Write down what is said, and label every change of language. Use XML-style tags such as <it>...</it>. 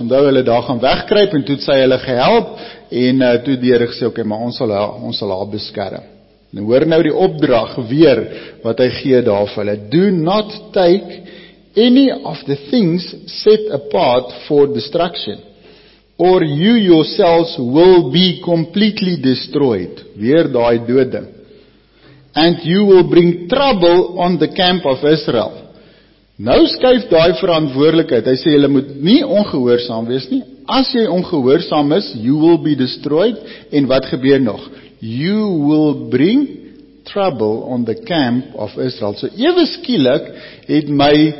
<af>Omdat hulle daar gaan wegkruip en toe het sy hulle gehelp en toe die Here gesê, okay, maar ons sal haar beskerm. En hoor nou die opdrag weer wat hy gee daar vir hulle.</af> <en>Do not take any of the things set apart for destruction or you yourselves will be completely destroyed.</en> <af>Weer daai dode.</af> <en>And you will bring trouble on the camp of Israel.</en> <af>Nou skuif daai verantwoordelikheid, hy sê, jy moet nie ongehoorsaam wees nie, as jy ongehoorsaam is,</af> <en>you will be destroyed,</en> <af>en wat gebeur nog?</af> <en>You will bring trouble on the camp of Israel.</en> <af>So, ewe skielik, het my</af>